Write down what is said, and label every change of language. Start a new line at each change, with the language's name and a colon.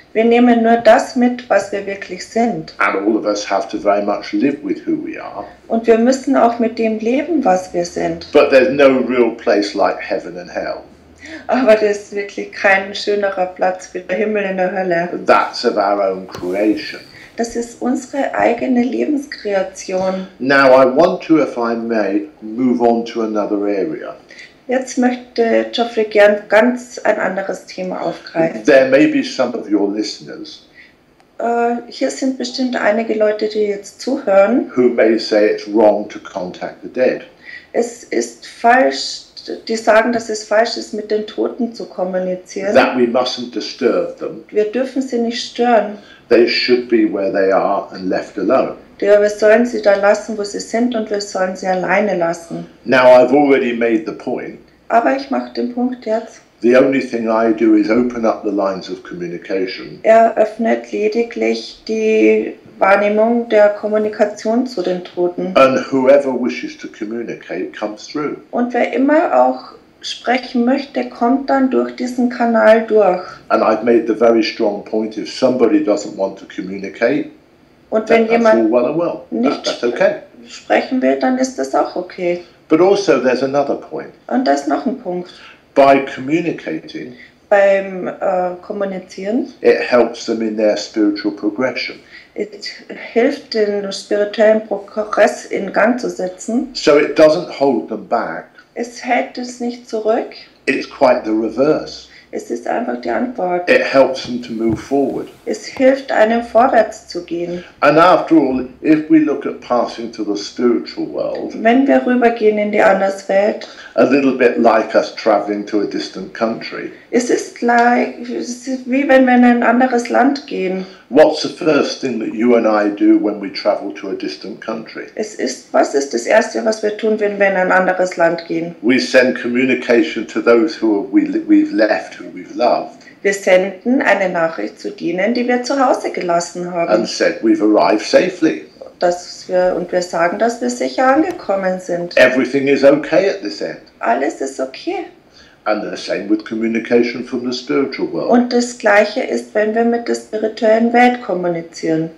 German: Wir nehmen nur das mit, was wir wirklich sind.
English: And all of us have to very much live with who we are.
German: Und wir müssen auch mit dem leben, was wir sind.
English: But there's no real place like heaven and hell.
German: Aber das ist wirklich kein schönerer Platz wie der Himmel in der Hölle.
English: That's of our own creation.
German: Das ist unsere eigene Lebenskreation.
English: Now I want to, if I may, move on to another area.
German: Jetzt möchte Geoffrey gern ganz ein anderes Thema aufgreifen.
English: There may be some of your listeners.
German: Hier sind bestimmt einige Leute, die jetzt zuhören.
English: Who may say it's wrong to contact the dead.
German: Es ist falsch, die sagen, dass es falsch ist, mit den Toten zu kommunizieren.
English: That we mustn't disturb them.
German: Wir dürfen sie nicht stören.
English: They should be where they are and left alone.
German: Ja, wir sollen sie da lassen, wo sie sind, und wir sollen sie alleine lassen.
English: Now I've already made the point.
German: Aber ich mache den Punkt jetzt.
English: The only thing I do is open up the lines of communication.
German: Er öffnet lediglich die Wahrnehmung der Kommunikation zu den Toten.
English: And whoever wishes to communicate comes through.
German: Und wer immer auch sprechen möchte, kommt dann durch diesen Kanal durch.
English: And I've made the very strong point, if somebody doesn't want to communicate,
German: und wenn jemand nicht sprechen will, dann ist das auch okay.
English: But also there's another point.
German: Und da ist noch ein Punkt.
English: By communicating,
German: beim Kommunizieren,
English: it helps them in their spiritual progression.
German: It hilft, den spirituellen Progress in Gang zu setzen.
English: So it doesn't hold them back.
German: Es hält es nicht zurück.
English: It's quite the reverse.
German: Es ist einfach die Antwort.
English: It helps them to move forward.
German: Es hilft einem, vorwärts zu gehen.
English: And after all, if we look at passing to the spiritual world,
German: wenn wir rübergehen in die Anderswelt,
English: a little bit like us traveling to a distant country,
German: es ist wie wenn wir in ein anderes Land gehen.
English: What's the first thing that you and I do when we travel to a distant country?
German: Was ist das Erste, was wir tun, wenn wir in ein anderes Land gehen?
English: We send communication to those who we've left, who we've loved.
German: Wir senden eine Nachricht zu denen, die wir zu Hause gelassen haben.
English: And said we've arrived safely.
German: Und wir sagen, dass wir sicher angekommen sind.
English: Everything is okay at this end.
German: Alles ist okay.
English: And the same with communication from the spiritual world.
German: Und das Gleiche ist, wenn wir mit der spirituellen Welt kommunizieren.